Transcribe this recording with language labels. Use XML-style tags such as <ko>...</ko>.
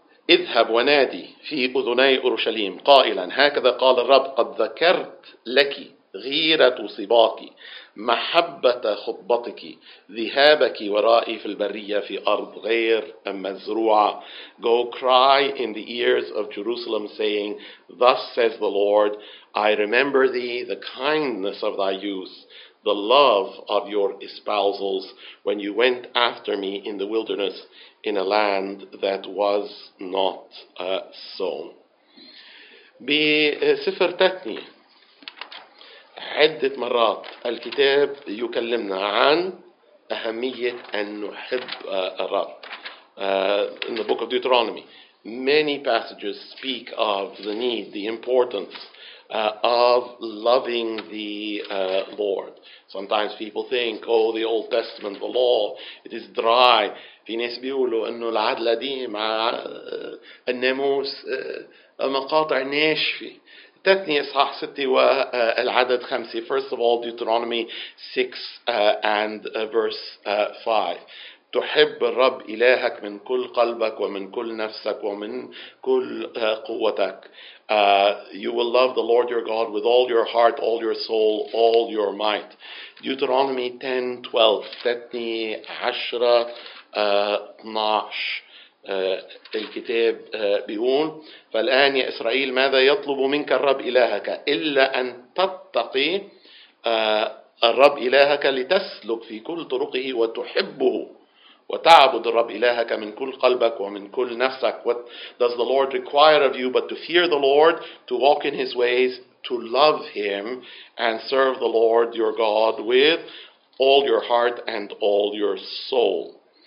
<ar>اذهب ونادي في أذني أورشليم قائلا هكذا قال الرب قد ذكرت لك غيرة صباك محبة خطبتك ذهابك ورائي في البرية في أرض غير مزروعة.</ar> <en>Go cry in the ears of Jerusalem saying, thus says the Lord, I remember thee, the kindness of thy youth, the love of your espousals when you went after me in the wilderness in a land that was not sown.</en> <ar>بسفر تثنية عدة مرات الكتاب يكلمنا عن أهمية أن نحب الرب.</ar> <en>In the book of Deuteronomy, many passages speak of the need, the importance of loving the Lord. Sometimes people think, oh, the Old Testament, the law, it is dry.</en> <ar>في ناس بيقولوا أنه العهد القديم الناموس مقاطع ناشفة. تثنية إصحاح 6 والعدد 5.</ar> <en>First of all, Deuteronomy 6 and verse 5.</en> <ar>تحب الرب إلهك من كل قلبك ومن كل نفسك ومن كل قوتك.</ar> <en>You will love the Lord your God with all your heart, all your soul, all your might. Deuteronomy 10, 12.</en> <ar>تثنية 10, 12. الكتاب بيقول فالآن يا إسرائيل ماذا يطلب منك الرب إلهك إلا أن تتقي الرب إلهك لتسلك في كل طرقه وتحبه وتعبد الرب إلهك من كل قلبك ومن كل نفسك.</ar> <en>What does the Lord require of you but to fear the Lord, to walk in his ways, to love him and serve the Lord your God with all your heart and all your soul.</en>